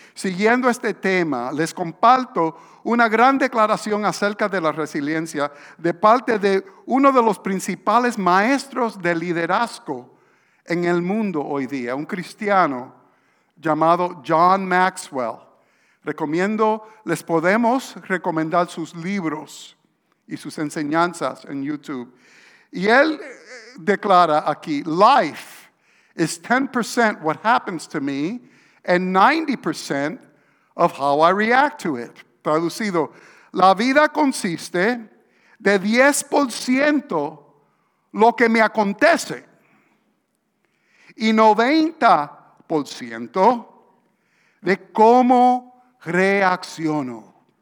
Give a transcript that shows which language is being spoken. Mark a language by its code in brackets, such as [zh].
[es] Siguiendo este tema, les comparto una gran declaración acerca de la resiliencia de parte de uno de los principales maestros de liderazgo en el mundo hoy día, un cristiano llamado John Maxwell. Recomiendo, les podemos recomendar sus libros y sus enseñanzas en YouTube. Y él declara aquí, [en] "Life is 10% what happens to me and 90% of how I react to it." [es] Traducido, la vida consiste de 10% lo que me acontece y 90% de cómo reacciono.